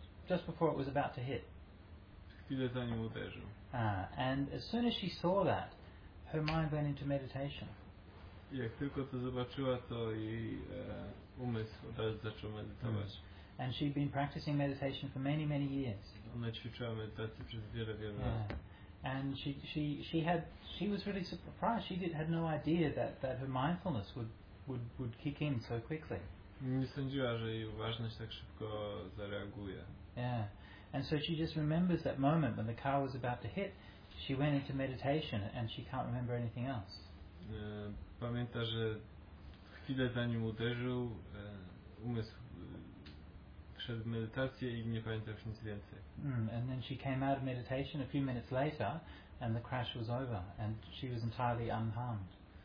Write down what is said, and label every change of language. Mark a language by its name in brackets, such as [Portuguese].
[English] Just before it was about to hit. [Polish] Chwilę zanim uderzył. [English] And as soon as she saw that, her mind went into meditation. [Polish] Jak tylko to zobaczyła, to jej umysł od razu zaczął medytować. [English] And she'd been practicing meditation for many, many years. [Polish] Ona ćwiczyła medytację przez wiele, wiele lat. [English] And she was really surprised. She had no idea that her mindfulness would kick in so quickly. [Polish] Nie sądziła, że jej uważność tak szybko zareaguje. [English] Yeah. And so she just remembers that moment when the car was about to hit. She went into meditation and she can't remember anything else. [Polish] pamięta, że chwilę zanim uderzył, umysł wszedł w medytację i nie pamięta już nic więcej. [English] And then she came out of meditation a few minutes later and the crash was over and she was entirely unharmed.